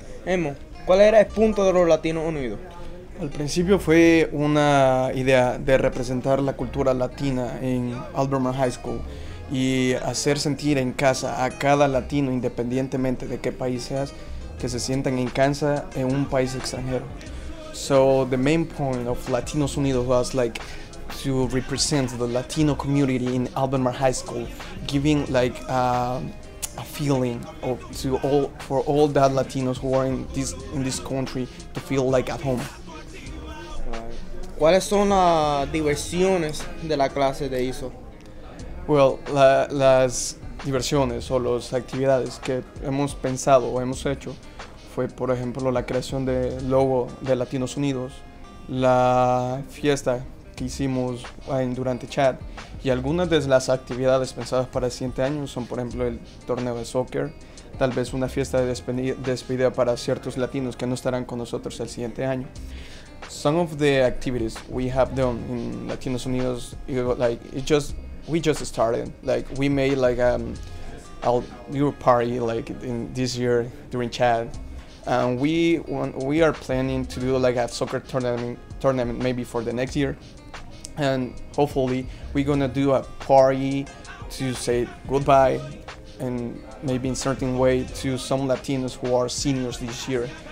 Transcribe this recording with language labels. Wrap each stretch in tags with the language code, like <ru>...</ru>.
<es>Emo, ¿cuál era el punto de los Latinos Unidos? Al principio fue una idea de representar la cultura latina en Albemarle High School y hacer sentir en casa a cada latino, independientemente de qué país seas, que se sientan en casa en un país extranjero.</es> <en>So, the main point of Latinos Unidos was like to represent the Latino community in Albemarle High School, giving like a feeling of to all for all that Latinos who are in this country to feel like at home.</en> <es>¿Cuáles son las diversiones de la clase de ISO? Well, las diversiones o las actividades que hemos pensado o hemos hecho fue, por ejemplo, la creación del logo de Latinos Unidos, la fiesta que hicimos durante chat, y algunas de las actividades pensadas para el siguiente año son, por ejemplo, el torneo de soccer, tal vez una fiesta de despedida para ciertos latinos que no estarán con nosotros el siguiente año.</es> <en>Some of the activities we have done in Latinos Unidos, we just started, like we made like a new party like in this year during Chad, and we are planning to do like a soccer tournament maybe for the next year, and hopefully we're gonna do a party to say goodbye and maybe in certain way to some Latinos who are seniors this year.</en>